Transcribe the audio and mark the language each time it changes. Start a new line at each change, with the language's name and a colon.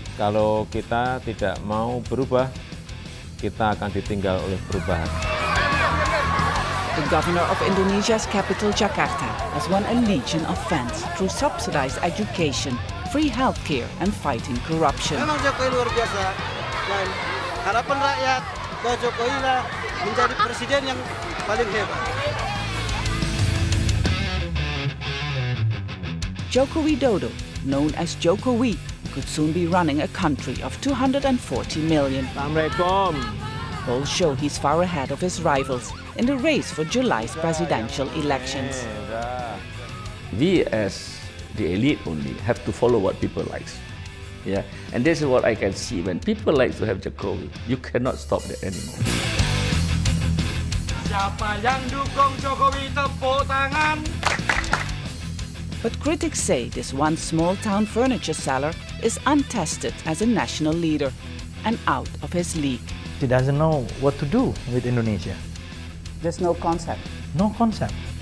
Indonesian: Kalau kita tidak mau berubah, kita akan ditinggal oleh perubahan.
English: The governor of Indonesia's capital, Jakarta, has won a legion of fans through subsidized education, free healthcare, and fighting corruption.
Indonesian: Memang Jokowi luar biasa. Dan harapan rakyat bahwa Jokowi lah menjadi presiden yang paling hebat.
English: Joko Widodo, known as Jokowi, could soon be running a country of 240 million.
Indonesian: Assalamualaikum.
English: Polls show he's far ahead of his rivals in the race for July's presidential elections. We as the elite only have to follow what people likes. Yeah, and this is what I can see. When people like to have Jokowi, you cannot stop that anymore.
Indonesian: Siapa yang dukung Jokowi, tepuk tangan.
English: But critics say this one small town furniture seller is untested as a national leader and out of his league. He doesn't know what to do with Indonesia. There's no concept. No concept.